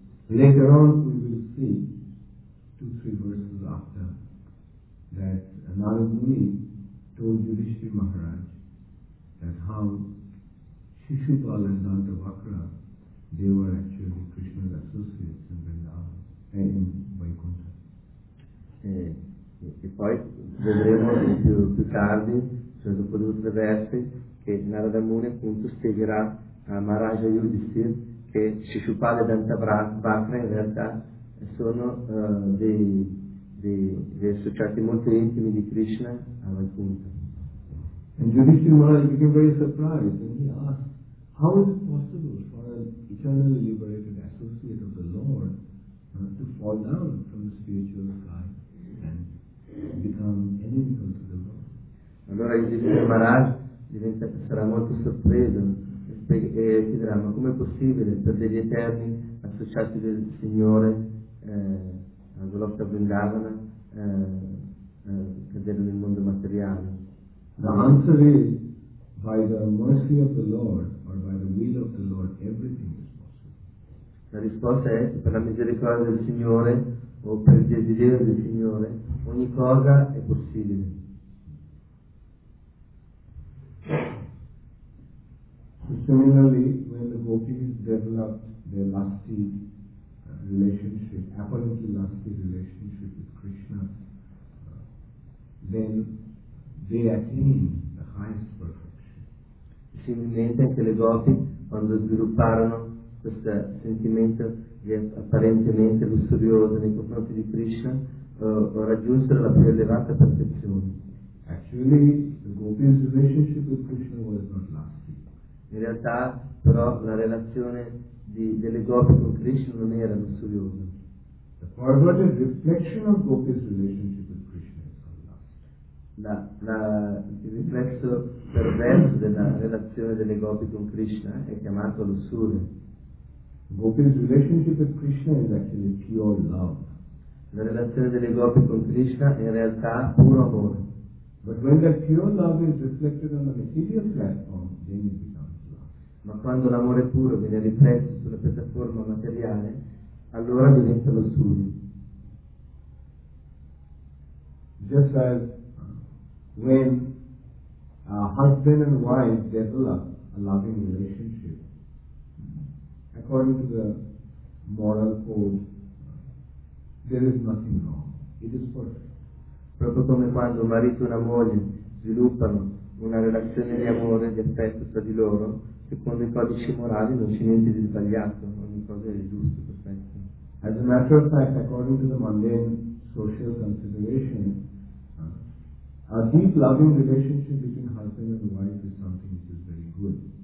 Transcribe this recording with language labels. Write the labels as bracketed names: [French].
[English] Later on we will see, 2-3 verses after, that Narada Muni told Yudhishthira Maharaj that how Shishupala and Dantavakra, they were actually Krishna's associates in Vrindavan and in Vaikuntha. [Italian] E poi vedremo più tardi, cioè dopo 2-3 versi, che Narada Muni appunto spiegherà a Maharaja Yudhishthira che Shishupala e Dantavakra in realtà sono dei associati molto intimi di Krishna a Vaikuntha. [English] And Yudhishthira Maharaj became very surprised and he asked, how is it possible for an eternally liberated associate of the Lord to fall down from the spiritual sky and become enemy to the Lord? [Italian] Allora Yudhishthira Maharaj sarà molto sorpreso e chiederà, ma com'è possibile per degli eterni associati del Signore a Golokta Vrindavana cadere nel mondo materiale? [English] The answer is, by the mercy of the Lord, or by the will of the Lord, everything is possible. [Italian] La risposta è, per la misericordia del Signore o per il desiderio del Signore, ogni cosa è possibile. [English] So similarly, when the gopis developed their lusty relationship, apparently lusty relationship with Krishna, then they attained the highest perfection. [Italian] Similmente anche le gopi, quando svilupparono questo sentimento di apparentemente lussurioso nei confronti di Krishna, raggiunsero la più elevata perfezione. [English] Actually, the gopis' relationship with Krishna was not lusty. [Italian] In realtà, però, la relazione delle gopi con Krishna non era lussuriosa. [English] The perverted reflection of gopi's relationship with Krishna is called lust. [Italian] Il riflesso perverso della relazione delle gopi con Krishna è chiamato lussuria. [English] Gopi's relationship with Krishna is actually pure love. [Italian] La relazione delle gopi con Krishna è in realtà puro amore. [English] But when that pure love is reflected on the material platform, then it becomes. [Italian] Ma quando l'amore puro viene riflesso sulla piattaforma materiale, allora diventa lussuria. [English] Just as when a husband and wife develop a loving relationship, according to the moral code, there is nothing wrong. It is perfect. [Italian] Proprio come quando un marito e una moglie sviluppano una relazione di amore, di affetto tra di loro, secondo i codici morali non c'è niente di sbagliato, ogni cosa è giusto, perfetto. [English] As a matter of fact, according to the mundane social consideration, a deep loving relationship between husband and wife is something which is very good.